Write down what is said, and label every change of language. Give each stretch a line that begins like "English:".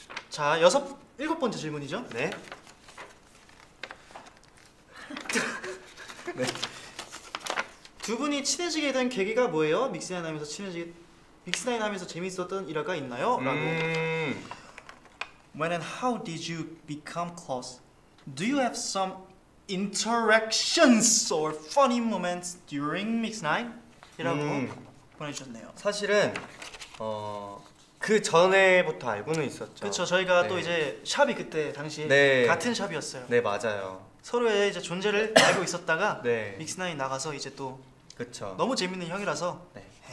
Korean: 자, 일곱 번째 질문이죠? 네. 네. 두 분이 친해지게 된 계기가 뭐예요? 믹스나인 하면서 친해지게 믹스나인 하면서 재밌었던 일화가 있나요? 라고.
English: When and how did you become close? Do you have some interactions or funny moments during Mixnight?
Korean: 이라고 보내주셨네요. 사실은 그 전에부터 알고는 있었죠. 그렇죠. 저희가 네. 또 이제 샵이 그때 당시 네. 같은 샵이었어요. 네 맞아요. 서로의 이제 존재를 알고 있었다가 네. 믹스나인 나가서 이제 또 그렇죠. 너무 재밌는 형이라서 네.